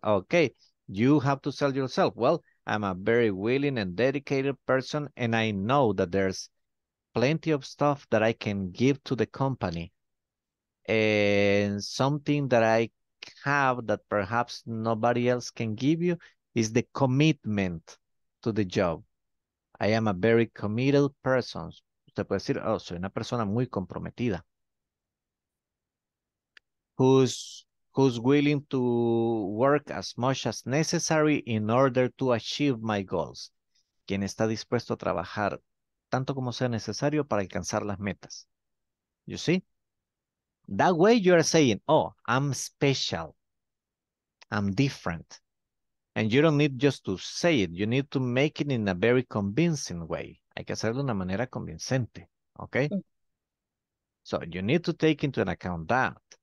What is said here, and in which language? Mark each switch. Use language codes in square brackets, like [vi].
[en] Okay, you have to sell yourself. Well, I'm a very willing and dedicated person, and I know that there's plenty of stuff that I can give to the company. And something that I have that perhaps nobody else can give you is the commitment to the job. I am a very committed person. [es] Usted puede decir, oh, soy una persona muy comprometida. [en] Who's willing to work as much as necessary in order to achieve my goals. [es] Quien está dispuesto a trabajar tanto como sea necesario para alcanzar las metas. [en] You see? That way you are saying, oh, I'm special. I'm different. And you don't need just to say it. You need to make it in a very convincing way. [es] Hay que hacerlo de una manera convincente. [en] Okay? So you need to take into account that.